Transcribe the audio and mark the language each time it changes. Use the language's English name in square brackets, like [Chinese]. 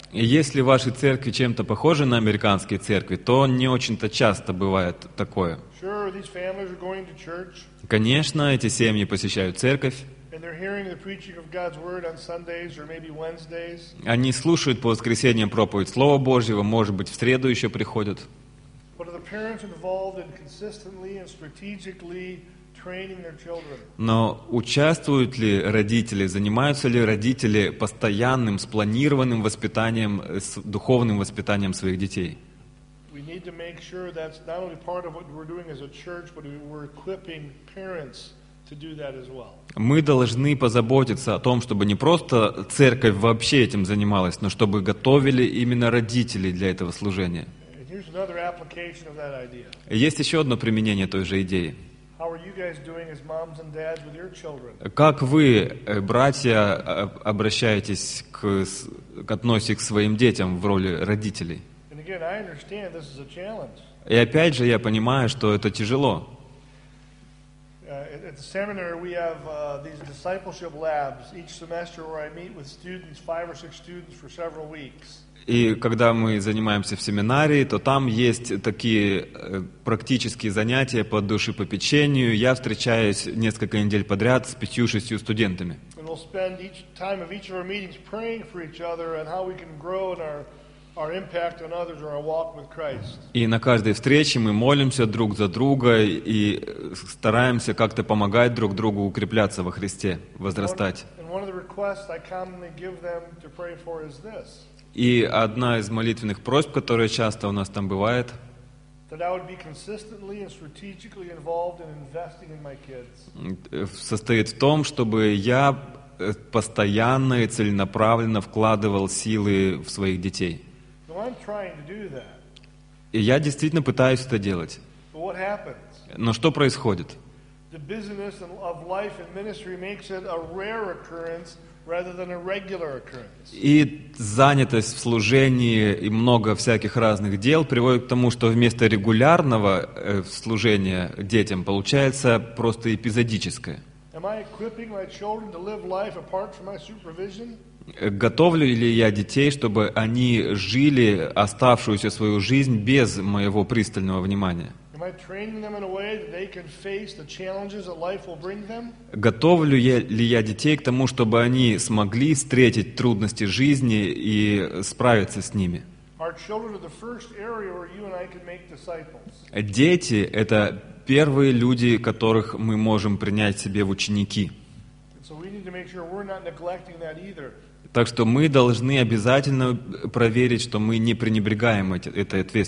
[Russian] И если ваши церкви чем-то похожи на американские церкви, то не очень-то часто бывает такое. [English] Sure, these families are going to church. [Russian] Конечно, эти семьи посещают церковь. [English] And they're hearing the preaching of God's word on Sundays or maybe Wednesdays. [Russian] Они слушают по воскресеньям проповедь Слова Божьего, может быть, в среду еще приходят. [English] But are the parents involved in consistently and strategically training their children? [Russian] Но участвуют ли родители, занимаются ли родители постоянным, спланированным воспитанием, духовным воспитанием своих детей? [English] We need to make sure that's not only part of what we're doing as a church, but we're equipping parents to do that as well. [Russian] Мы должны позаботиться о том, чтобы не просто церковь вообще этим занималась, но чтобы готовили именно родителей для этого служения. [English] And here's another application of that idea. [Russian] Есть еще одно применение той же идеи. [English] How are you guys doing as moms and dads with your children? [Russian] Как вы, братья, обращаетесь относитесь к своим детям в роли родителей? [English] And again, I understand this is a challenge. [Russian] И опять же, я понимаю, что это тяжело. [English] At the seminary, we have these discipleship labs each semester, where I meet with students, five or six students, for several weeks. [Russian] И когда мы занимаемся в семинарии, то там есть такие практические занятия по душепопечению. Я встречаюсь несколько недель подряд с 5-6 студентами. [English] And we'll spend each time of each of our meetings praying for each other and how we can grow in our impact on others or our walk with Christ. [Russian] И на каждой встрече мы молимся друг за друга и стараемся как-то помогать друг другу укрепляться во Христе, возрастать. [English] And one of the requests I commonly give them to pray for is this. [Russian] И одна из молитвенных просьб, которая часто у нас там бывает, [English] that I would be consistently and strategically involved in investing in my kids. [Russian] Состоит в том, чтобы я постоянно и целенаправленно вкладывал силы в своих детей. [English] So I'm trying to do that. [Russian] И я действительно пытаюсь это делать. [English] But what happens? [Russian] Но что происходит? [English] The busyness of life and ministry makes it a rare occurrence rather than a regular occurrence. [Russian] И занятость в служении и много всяких разных дел приводит к тому, что вместо регулярного служения детям получается просто эпизодическое. [English] Am I equipping my children to live life apart from my supervision? [Russian] Готовлю ли я детей, чтобы они жили оставшуюся свою жизнь без моего пристального внимания? [English] Am I training them in a way that they can face the challenges that life will bring them? [Russian] Готовлю ли я детей к тому, чтобы они смогли встретить трудности жизни и справиться с ними? [English] Our children are the first area where you and I can make disciples. [Russian] Дети — это первые люди, которых мы можем принять себе в ученики. [English] And so we need to make sure we're not neglecting that either. [Russian] Так что мы должны обязательно проверить, что мы не пренебрегаем этой